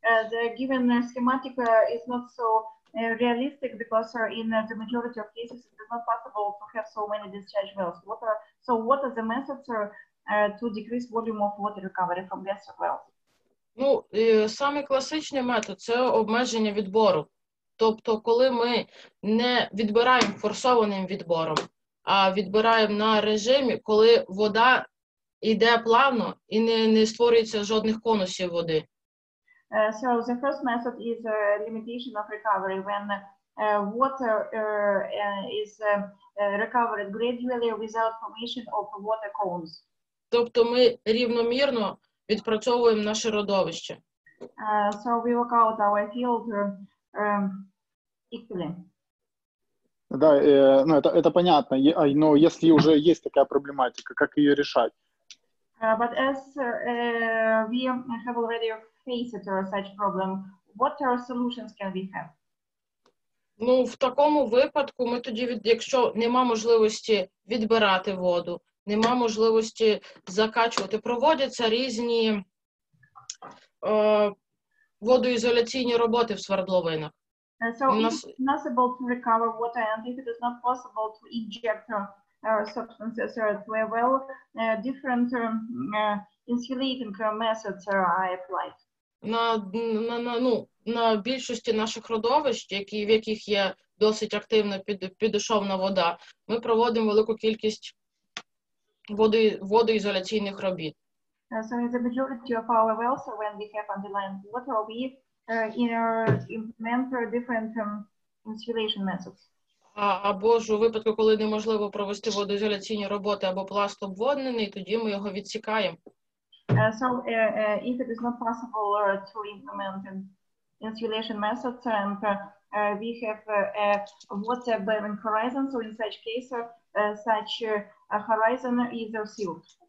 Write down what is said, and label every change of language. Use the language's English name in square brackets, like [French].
[English] The given schematic is not so realistic because in the majority of cases it is not possible to have so many discharge wells. What are the methods to decrease volume of water recovery from gas wells? [Ukrainian] Ну, саме класичний метод – це обмеження відбору. Тобто, коли ми не відбираємо форсованим відбором, а відбираємо на режимі, коли вода іде плавно і не створюється жодних конусів води. [English] So the first method is a limitation of recovery when water is recovered gradually without formation of water cones. [Ukrainian] Тобто ми рівномірно відпрацьовуємо наше родовище. [English] So we work out our field equally. [Russian] Да, ну это понятно, но если уже есть такая проблематика, как ее решать? [English] But as we have already faced such problem, what are solutions can we have? [Ukrainian] Ну, в такому випадку ми тоді, якщо нема можливості відбирати воду, нема можливості закачувати, проводяться різні водоізоляційні роботи в свердловинах. [English] So if it's possible to recover water and if it is not possible to inject substances to a well, different insulating methods are applied. [Ukrainian] На більшості наших родовищ, в яких є досить активна підошовна вода, ми проводимо велику кількість водоізоляційних робіт. [English] So in the majority of our wells, when we have underlying water, we implement different insulation methods. [Ukrainian] Або ж у випадку, коли неможливо провести водоізоляційні роботи або пласт обводнений, тоді ми його відсікаємо. [English] If it is not possible to implement insulation methods and we have a water bearing horizon, so in such case such a horizon is sealed.